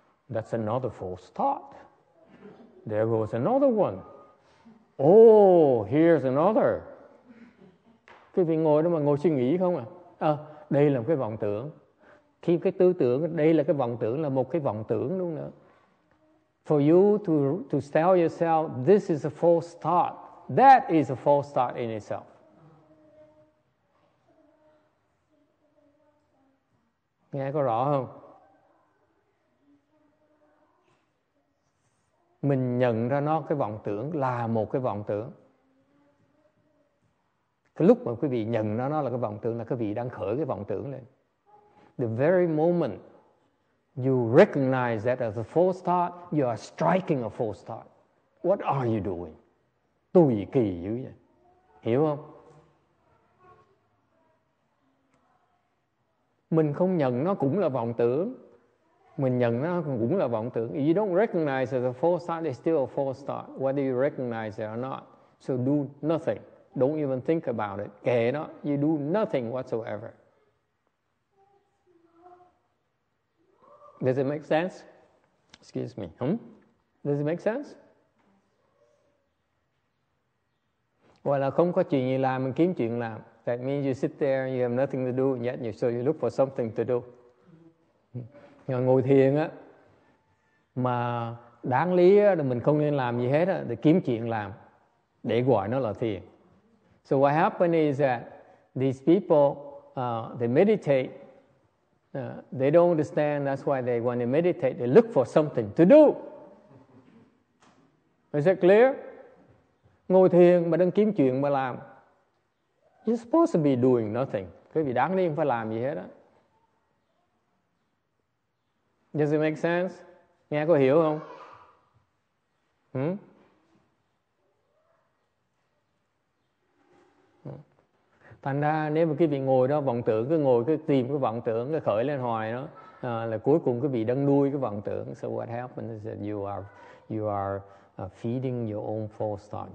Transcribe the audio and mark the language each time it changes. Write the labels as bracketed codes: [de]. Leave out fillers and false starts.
[en] That's another false thought. There goes another one. Oh, here's another. [vi] Quý vị ngồi đó mà ngồi suy nghĩ không à? À, đây là một cái vọng tưởng. Khi cái tư tưởng, đây là cái vọng tưởng, là một cái vọng tưởng luôn nữa. [en] For you to tell yourself, this is a false thought. That is a false thought in itself. [vi] Nghe có rõ không? Mình nhận ra nó cái vọng tưởng là một cái vọng tưởng. Cái lúc mà quý vị nhận ra nó là cái vọng tưởng là quý vị đang khởi cái vọng tưởng lên. [en] The very moment you recognize that as a false thought, you are striking a false thought. What are you doing? [vi] Tùy kỳ dữ vậy. Hiểu không? Mình không nhận nó cũng là vọng tưởng. Mình nhận nó cũng là vọng tưởng. [en] You don't recognize it as a false thought, it's still a false thought, whether you recognize it or not. So do nothing. Don't even think about it. [vi] Kệ nó. [en] You do nothing whatsoever. Does it make sense? Excuse me. Does it make sense? [vi] Well, không có chuyện gì làm, mình kiếm chuyện làm. [en] That means you sit there and you have nothing to do, and yet you, so you look for something to do. [vi] Ngồi thiền á, mà đáng lý á, là mình không nên làm gì hết á, để kiếm chuyện làm, để gọi nó là thiền. [en] So what happened is that these people, they meditate, they don't understand, that's why they, when they meditate, they look for something to do. Is that clear? [vi] Ngồi thiền mà đang kiếm chuyện mà làm, [en] you're supposed to be doing nothing. [vi] Quý vị đáng lý không phải làm gì hết á. [en] Does it make sense? [vi] Nghe có hiểu không? Thành ra nếu mà quý vị ngồi đó vọng tưởng, cứ ngồi cứ tìm cái vọng tưởng, cứ khởi lên hoài đó, là cuối cùng quý vị đang nuôi cái vọng tưởng. [en] So what happens is that you are feeding your own false thought.